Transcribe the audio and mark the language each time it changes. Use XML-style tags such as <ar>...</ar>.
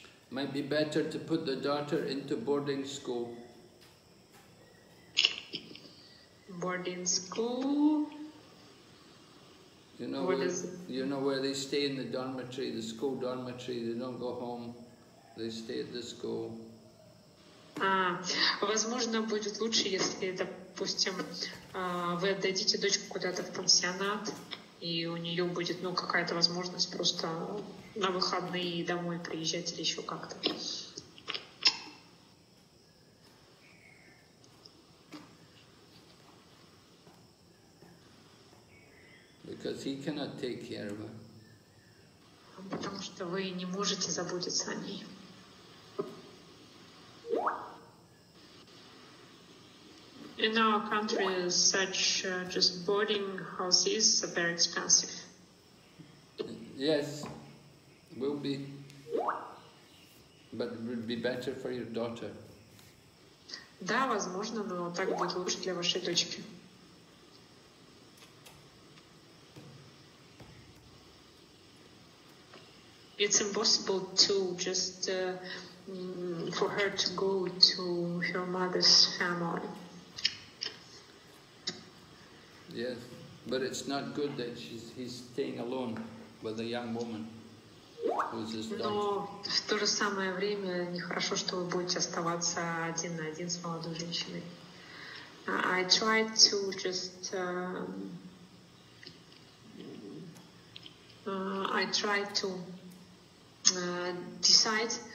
<en>Might be better to put the daughter into boarding school. Boarding school. You know where they stay in the dormitory, the school dormitory. They don't go home. They stay at the school.</en> <ru>Возможно, будет лучше, если, допустим, вы отдадите дочку куда-то в пансионат, и у нее будет, ну, какая-то возможность просто на выходные домой приезжать или еще как-то.</ru> <en>Because he cannot take care of her.</en> <ru>Потому что вы не можете заботиться о ней.</ru> <en>In our country, such just boarding houses are very expensive. Yes, will be. But it would be better for your daughter.</en> <ru>Да, возможно, но так будет лучше для вашей дочки.</ru> <en>It's impossible to just for her to go to her mother's family. Yes, but it's not good that he's staying alone with a young woman.</en> <ru>Но в то же самое время нехорошо, что вы будете оставаться один на один с молодой женщиной.</ru> <en>I tried to just I tried to decide</en>